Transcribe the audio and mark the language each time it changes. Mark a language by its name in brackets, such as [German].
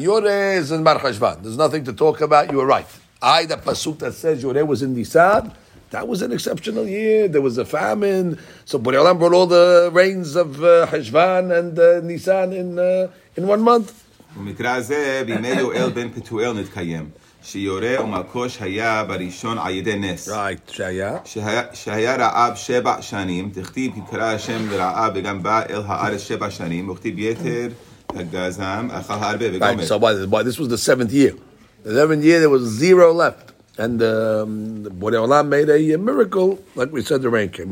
[English] Yoreh is in mar cheshvan. There's nothing to talk about. You are right. I, the pasuk that says Yoreh was in Nisan, that was an exceptional year. There was a famine. So Borei Olam brought all the rains of cheshvan and Nisan in 1 month. [Hebrew] Mikra ze, b'mei Yoel ben Petuel nitkayem. שיורה ומלקוש היה בראשון על ידי נס. [English] Right, [Hebrew] שהיה רעב שבע שנים, תכתיב כי קרא השם לרעב וגם בא אל הארץ שבע שנים, וכתיב יתר הגזם, אכל הרבה וגומר. [English] Right, so why this was the seventh year. The seventh year there was zero left. And Borei Olam made a miracle, like we said, the rain came.